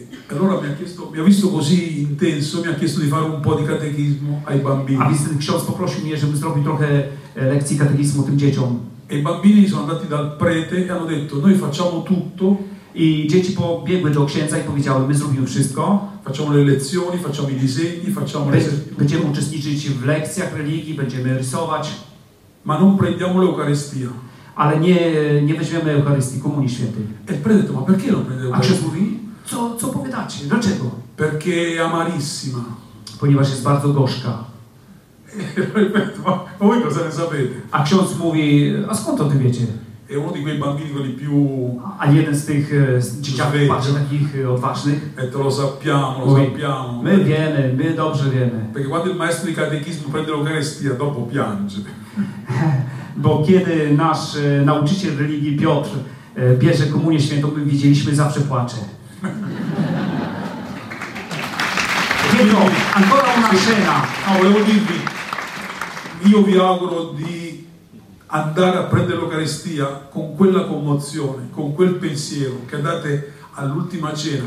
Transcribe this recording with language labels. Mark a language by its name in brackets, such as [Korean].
[Italian] Allora mi ha visto così intenso, mi ha chiesto di fare un po' di catechismo ai bambini. [Polish] A więc ksiądz poprosił mnie, żebym zrobił trochę lekcji katechizmu tym dzieciom. [Italian] E i bambini sono andati dal prete e hanno detto, noi facciamo tutto. [Polish] I dzieci pobiegły do księdza i powiedziały, my zrobimy wszystko. [Italian] Facciamo le lezioni, facciamo i disegni, facciamo le... [Polish] Będziemy uczestniczyć w lekcjach religii, będziemy rysować. [Italian] Ma non prendiamo l'Eucaristia. [Polish] Ale nie weźmiemy Eucharystii, Komunii Świętej. [Italian] E il prete to, ma perché non prende [Polish] Eucharistia? A ksiądz mówi, co powiadacie, dlaczego? [Italian] Perché è amarissima. [Polish] Ponieważ jest bardzo gorzka. [Italian] Ma voi cosa ne sapete? [Polish] A ksiądz mówi, a skąd o tym wiecie? [Italian] È uno di quei bambini quelli più... [Polish] A jeden z tych dzieciaków bardzo takich odważnych. [Italian] E to lo sappiamo, lo sappiamo. [Polish] My wiemy, my dobrze wiemy. [Italian] Perché quando il maestro di catechismo prende l'Eucharistia, dopo piange. [Polish] Bo kiedy nasz nauczyciel religii Piotr bierze Komunię Świętą, my widzieliśmy zawsze płacze. [Italian] Pietro, ancora una scena. No, volevo dirvi, io vi auguro di andare a prendere l'Eucaristia con quella commozione, con quel pensiero che andate all'ultima cena.